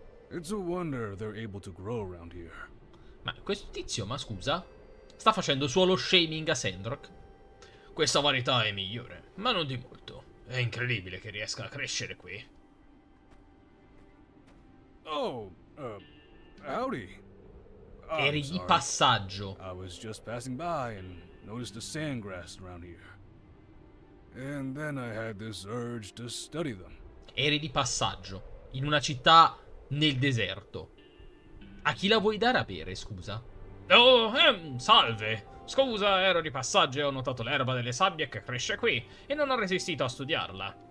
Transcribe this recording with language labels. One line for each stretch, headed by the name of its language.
English: It's a wonder they're able to grow around here.
Italian: Ma questo tizio, ma scusa, sta facendo suolo shaming a Sandrock. Questa varietà è migliore, ma non di molto. È incredibile che riesca a crescere qui.
English: Oh, howdy. Oh,
Italian: eri di passaggio.
English: I was just passing by and noticed the sandgrass around here. And then I had this urge to study them.
Italian: Eri di passaggio in una città nel deserto. A chi la vuoi dare a bere, scusa? Oh, salve. Scusa, ero di passaggio e ho notato l'erba delle sabbie che cresce qui e non ho resistito a studiarla.